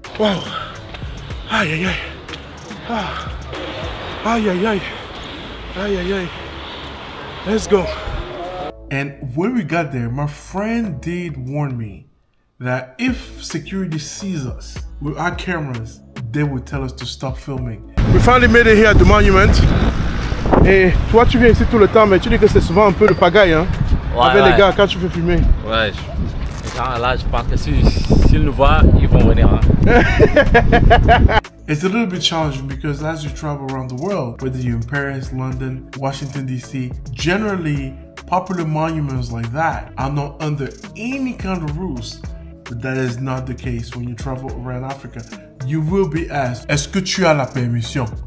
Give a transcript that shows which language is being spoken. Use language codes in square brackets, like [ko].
[en] Wow. Ay, ay, ay. Ah. Ay, ay, ay. Ay, ay, ay. Let's go. And when we got there, my friend did warn me that if security sees us with our cameras, they would tell us to stop filming. We finally made it here at the monument. [fr] Et toi, tu viens ici tout le temps, mais tu dis que c'est souvent un peu de pagaille, hein? Ouais, avec ouais. Les gars, quand tu fais filmer. Ouais, les gens là, je pense que s'ils nous voient, ils vont venir. Hein? [en] It's a little bit challenging because as you travel around the world, whether you're in Paris, London, Washington, D.C., generally, popular monuments like that are not under any kind of rules. But that is not the case when you travel around Africa. You will be asked, [fr] est-ce que tu as la permission?